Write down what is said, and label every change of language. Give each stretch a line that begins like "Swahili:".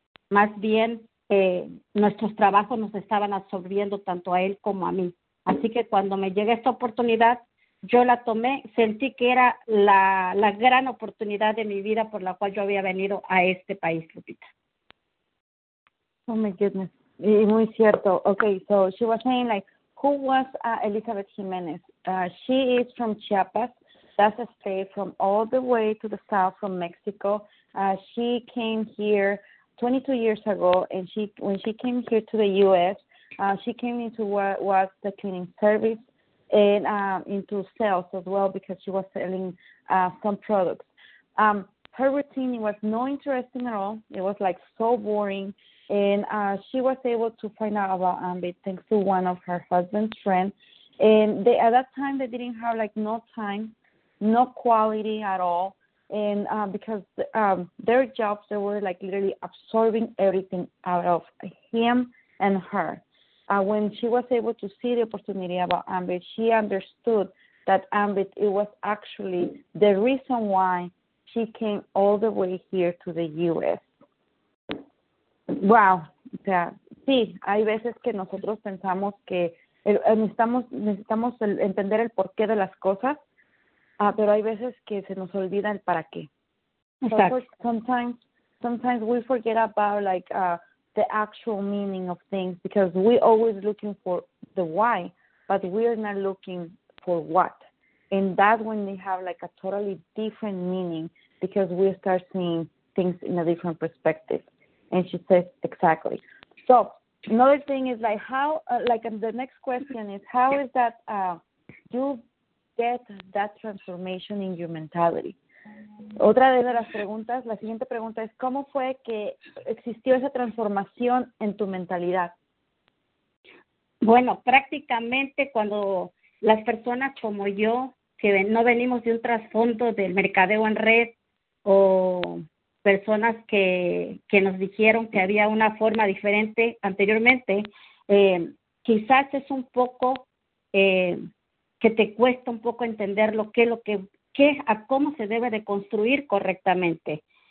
Spanish: Más bien, nuestros trabajos nos estaban absorbiendo tanto a él como a mí. Así que cuando me llega esta oportunidad, yo la tomé, sentí que era la gran oportunidad de mi vida por la cual yo había venido a este país, Lupita.
English: Oh, my goodness.
Spanish: Y muy cierto.
English: Okay, so she was saying, like, who was Elizabeth Jimenez? She is from Chiapas. That's a state from all the way to the south from Mexico. She came here 22 years ago, and when she came here to the U.S., she came into what was the cleaning service and into sales as well because she was selling some products. Her routine was no interesting at all. It was like so boring. And she was able to find out about Ambit thanks to one of her husband's friends. And they, at that time, they didn't have like no time, no quality at all. And because their jobs, they were like literally absorbing everything out of him and her. When she was able to see the opportunity about Ambit, she understood that Ambit, it was actually the reason why she came all the way here to the U.S. Wow.
Spanish: O sea, sí, hay veces que nosotros pensamos que necesitamos entender el porqué de las cosas, pero hay veces que se nos olvida el para qué. Exacto.
English: Sometimes we forget about, like, the actual meaning of things because we always looking for the why, but we are not looking for what. And that's when they have like a totally different meaning because we start seeing things in a different perspective. And she says exactly. So another thing is like how, like the next question is how is that you get that transformation in your mentality?
Spanish: Otra de las preguntas, la siguiente pregunta es, ¿cómo fue que existió esa transformación en tu mentalidad? Bueno, prácticamente cuando las personas como yo, que no venimos de un trasfondo del mercadeo en red, o personas que nos dijeron que había una forma diferente anteriormente, quizás es un poco que te cuesta un poco entender lo que es lo que ¿qué, a cómo se debe de construir correctamente?